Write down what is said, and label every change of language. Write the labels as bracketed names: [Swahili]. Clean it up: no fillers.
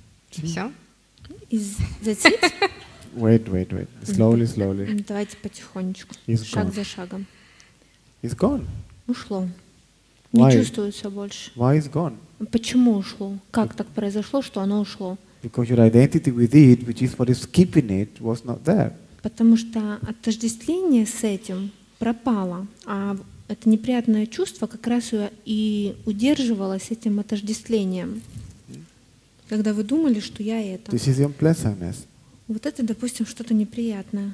[Russian] Всё? [English] Is that it? Wait. Slowly. [Russian] Давайте потихонечку. [English] It's [Russian] шаг [English] gone. [Russian] За шагом. [English] It's gone. [Russian] Ушло. [English] Why? [Russian] Не чувствуется больше. [English] Why is gone? [Russian] Почему ушло? Как так произошло, что оно ушло? [English] Because your identity with it, which is what is keeping it, was not there. [Russian] Потому что отождествление с этим пропало, а это неприятное чувство как раз и удерживало с этим отождествлением. Когда вы думали, что я это. [English] This is unpleasantness. [Russian] Вот это, допустим, что-то неприятное.